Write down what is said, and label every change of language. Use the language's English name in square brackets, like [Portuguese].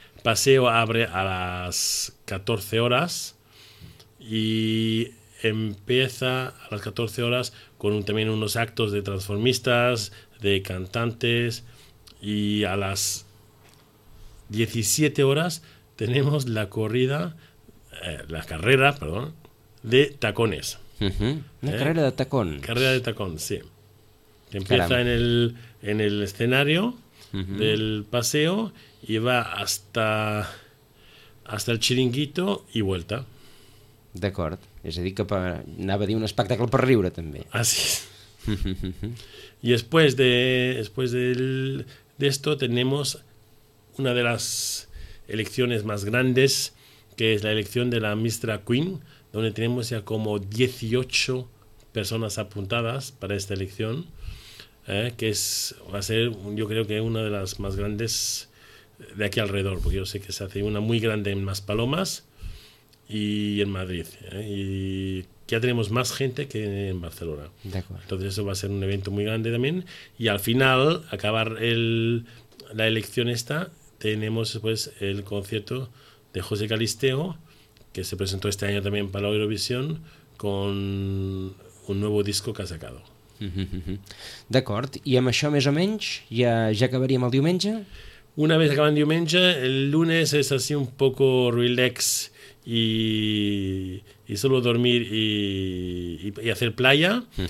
[Spanish] Paseo abre a las 14 horas y empieza a las 14 horas con también unos actos de transformistas, de cantantes, y a las 17 horas tenemos la corrida, la carrera, perdón, de tacones. Uh-huh. Una carrera de tacón. Carrera de tacón, sí. Que empieza en el escenario del paseo y va hasta el chiringuito y vuelta. [Catalan] D'acord. És a dir, que anava a dir un espectacle per riure, també. Ah, sí. [Spanish] Y después de esto tenemos una de las elecciones más grandes, que es la elección de la Mistra Queen, donde tenemos ya como 18 personas apuntadas para esta elección, que va a ser, yo creo que una de las más grandes de aquí alrededor, porque yo sé que se hace una muy grande en Maspalomas y en Madrid. Y ya tenemos más gente que en Barcelona. De acuerdo. Entonces eso va a ser un evento muy grande también. Y al final, acabar la elección esta, tenemos después el concierto de José Galisteo, que se presentó este año también para la Eurovisión, con un nuevo disco que ha sacado. [Catalan] D'acord, i amb això més o menys ja acabaríem el diumenge? [Spanish] Una vez [Catalan] acabant diumenge, [Spanish] el lunes es así un poco relax y solo dormir y hacer playa.